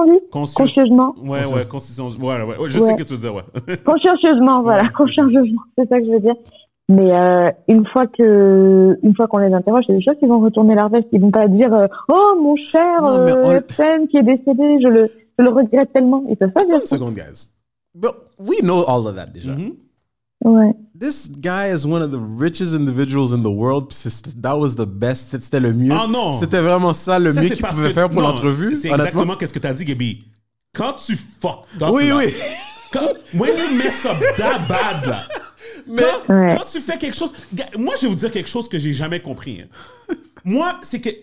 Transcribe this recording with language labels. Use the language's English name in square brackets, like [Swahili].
[French] Consciencieusement, voilà, consciencieusement, c'est ça que je veux dire. Mais une fois qu'on les interroge, c'est des choses qui vont retourner leur veste. Ils vont pas dire « Oh, mon cher Epstein qui est décédé, je le regrette tellement. » Et ça, ça vient. [English] One second, guys. But we know all of that, déjà. Mm-hmm. Ouais. This guy is one of the richest individuals in the world. That was the best. [French] C'était le mieux. Oh, non. C'était vraiment ça, le mieux qu'il pouvait faire pour l'entrevue. C'est exactement ce que t'as dit, Gabi. Quand tu [English] fucked up. [French] Oui, oui. [English] When you mess up that bad, [French] là. Mais quand tu fais quelque chose... Moi, je vais vous dire quelque chose que j'ai jamais compris. Moi, c'est que...